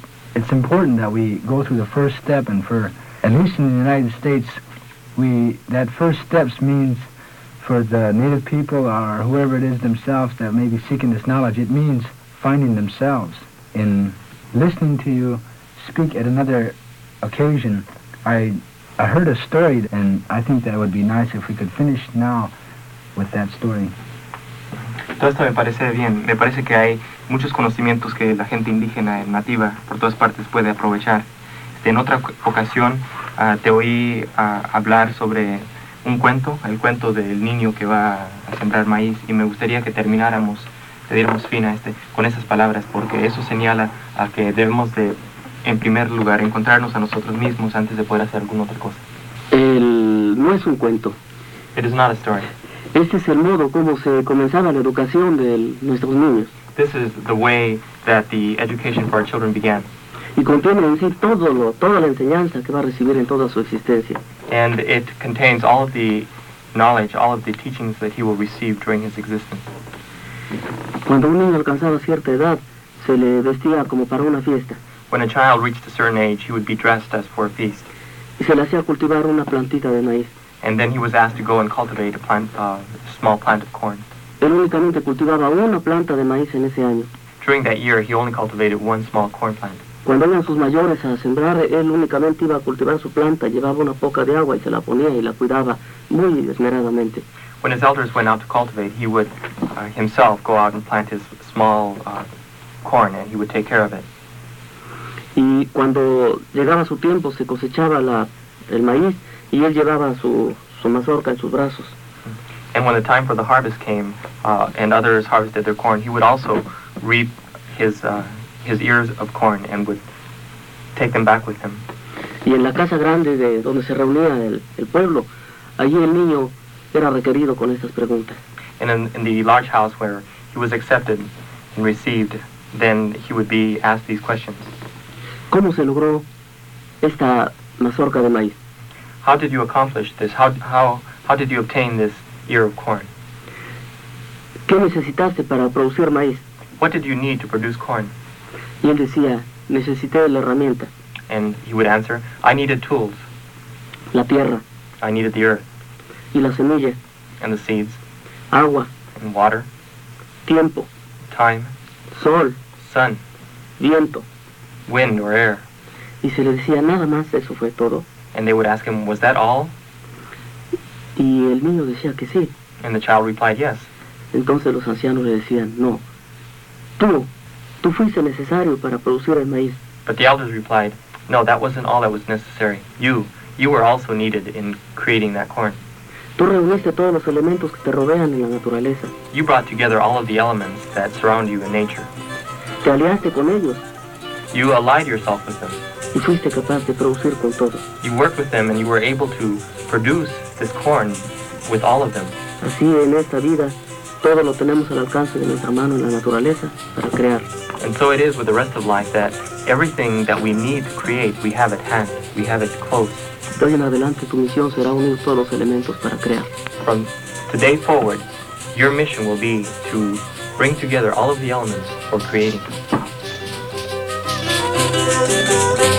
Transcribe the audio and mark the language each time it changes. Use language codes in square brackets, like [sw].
[en] Step and for at least in the United States, that first steps means for the native people or whoever it is themselves that may be seeking this knowledge, it means finding themselves. In listening to you speak at another occasion, I heard a story, and I think that it would be nice if we could finish now with that story. [es] Todo esto me parece bien. Me parece que hay muchos conocimientos que la gente indígena y nativa por todas partes puede aprovechar. En otra ocasión te oí hablar sobre un cuento, el cuento del niño que va a sembrar maíz, y me gustaría que termináramos, te diéramos fin a este, con esas palabras, porque eso señala a que debemos de, en primer lugar, encontrarnos a nosotros mismos antes de poder hacer alguna otra cosa. No es un cuento. [en] It is not a story. [es] Este es el modo como se comenzaba la educación de nuestros niños. [en] This is the way that the education for our children began. [es] Y contiene en sí toda la enseñanza que va a recibir en toda su existencia. [en] And it contains all of the knowledge, all of the teachings that he will receive during his existence. [es] Cuando un niño alcanzaba cierta edad, se le vestía como para una fiesta. [en] When a child reached a certain age, he would be dressed as for a feast. [es] Y se le hacía cultivar una plantita de maíz. [en] And then he was asked to go and cultivate a plant, small plant of corn. [es] Él únicamente cultivaba una planta de maíz en ese año. [en] During that year, he only cultivated one small corn plant. [es] Cuando iban sus mayores a sembrar, él únicamente iba a cultivar su planta, llevaba una poca de agua y se la ponía y la cuidaba muy esmeradamente. [en] When his elders went out to cultivate, he would himself go out and plant his small corn and he would take care of it. [es] Y cuando llegaba su tiempo, se cosechaba el maíz y él llevaba su mazorca en sus brazos. [en] And when the time for the harvest came, and others harvested their corn, he would also reap his ears of corn and would take them back with him. [es] Y en la casa grande de donde se reunía el pueblo, allí el niño era requerido con estas preguntas. [en] And in the large house where he was accepted and received, then he would be asked these questions. [es] ¿Cómo se logró esta mazorca de maíz? [en] How did you accomplish this? How did you obtain this ear of corn? [es] ¿Qué necesitaste para producir maíz? [en] What did you need to produce corn? [es] Y él decía, necesité la herramienta. [en] And he would answer, I needed tools. [es] La tierra. [en] I needed the earth. [es] Y la semilla. [en] And the seeds. [es] Agua. [en] And water. [es] Tiempo. [en] Time. [es] Sol. [en] Sun. [es] Viento. [en] Wind or air. [es] Y se le decía, nada más, eso fue todo. [en] And they would ask him, was that all? [es] Y el niño decía que sí. [en] And the child replied, yes. [es] Entonces los ancianos le decían, no. Tú fuiste necesario para producir el maíz. [en] But the elders replied, no, that wasn't all that was necessary. You were also needed in creating that corn. [es] Tú reuniste todos los elementos que te rodean en la naturaleza. [en] You brought together all of the elements that surround you in nature. [es] Te aliaste con ellos. [en] You allied yourself with them. [es] Y fuiste capaz de producir con todos. [en] You worked with them and you were able to produce this corn with all of them. [es] Así en esta vida, todo lo tenemos al alcance de nuestra mano en la naturaleza para crear. [en] And so it is with the rest of life that everything that we need to create, we have at hand, we have it close. [es] De hoy en adelante, tu misión será unir todos los elementos para crear. [en] From today forward, your mission will be to bring together all of the elements for creating.